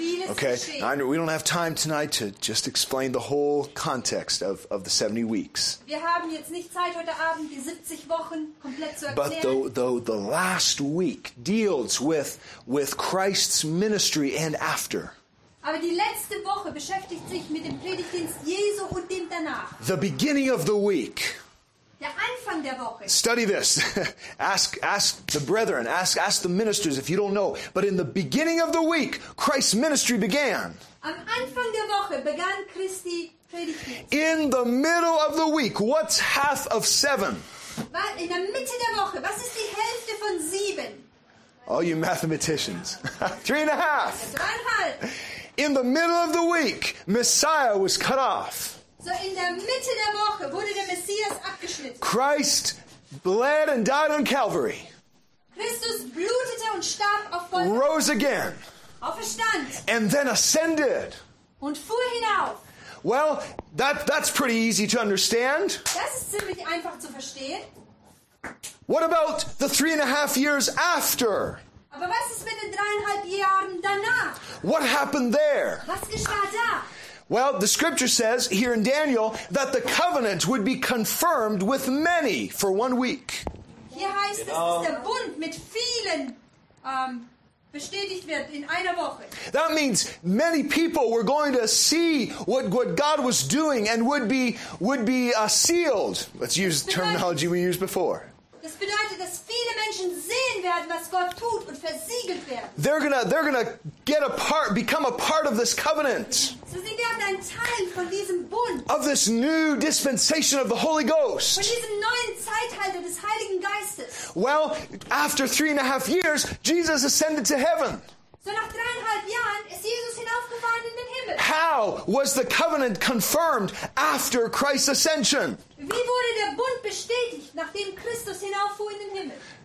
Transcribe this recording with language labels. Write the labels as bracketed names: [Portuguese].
[English] Okay, we don't have time tonight to just explain the whole context of the 70 weeks. [German] Wir haben jetzt nicht Zeit heute Abend die 70 Wochen komplett zu erklären. [English] But the last week deals with Christ's ministry and after. [German] Aber die letzte Woche beschäftigt sich mit dem Predigtdienst Jesu und dem danach. [English] The beginning of the week. [German] Der Anfang der Woche. [English] Study this. Ask the brethren, ask the ministers if you don't know. But in the beginning of the week, Christ's ministry began. [German] Am Anfang der Woche begann Christi Predigt. [English] In the middle of the week, what's half of seven? [German] In der Mitte der Woche, was ist die Hälfte von sieben? [English] All you mathematicians. Three and a half. [German] Dreieinhalb. [English] In the middle of the week, Messiah was cut off. [German] So in der Mitte der Woche wurde der Messias abgeschnitten. [English] Christ bled and died on Calvary. [German] Christus blutete und starb auf Golgatha. [English] Rose again. [German] Auferstand. [English] And then ascended. [German] Und fuhr hinauf. [English] Well, that's pretty easy to understand. [German] Das ist ziemlich einfach zu verstehen. [English] What about the 3.5 years after? [German] Aber was ist mit den 3.5 Jahren danach? [English] What happened there? [German] Was geschah da? [English] Well, the scripture says here in Daniel that the covenant would be confirmed with many for 1 week. [German] Hier heißt es, dass der Bund mit vielen bestätigt wird in einer Woche. [English] That means many people were going to see what God was doing and would be sealed. Let's use the terminology we used before. [German] Das bedeutet, dass viele Menschen sehen werden, was Gott tut und versiegelt werden. [English] They're gonna become a part of this covenant. [German] So sie werden ein Teil von diesem Bund. [English] Of this new dispensation of the Holy Ghost. [German] Von diesem neuen Zeitalter des Heiligen Geistes. [English] Well, after 3.5 years, Jesus ascended to heaven. [German] So nach 3.5 Jahren ist Jesus hinaufgefahren in den Himmel. [English] How was the covenant confirmed after Christ's ascension? [German] Wie wurde der Bund bestätigt, nachdem Christus hinauffuhr in den Himmel?